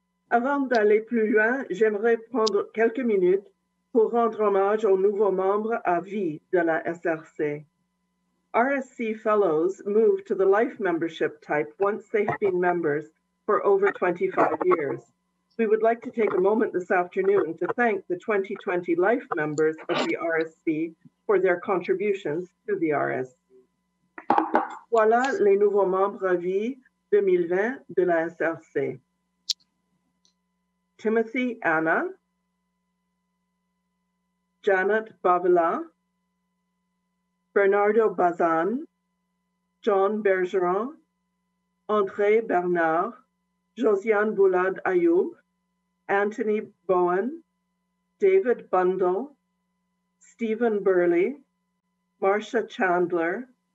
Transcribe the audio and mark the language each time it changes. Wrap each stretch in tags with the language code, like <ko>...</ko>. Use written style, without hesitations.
<fr>Avant d'aller plus loin, j'aimerais prendre quelques minutes pour rendre hommage aux nouveaux membres à vie de la SRC.</fr> <en>RSC fellows move to the life membership type once they have been members for over 25 years. We would like to take a moment this afternoon to thank the 2020 life members of the RSC for their contributions to the RSC.</en> <fr>Voilà les nouveaux membres à vie 2020 de la SRC. Timothy Anna, Janet Bavila, Bernardo Bazan, John Bergeron, André Bernard, Josiane Boulad-Ayoub, Anthony Bowen, David Bundle, Stephen Burley, Marcia Chandler,</fr>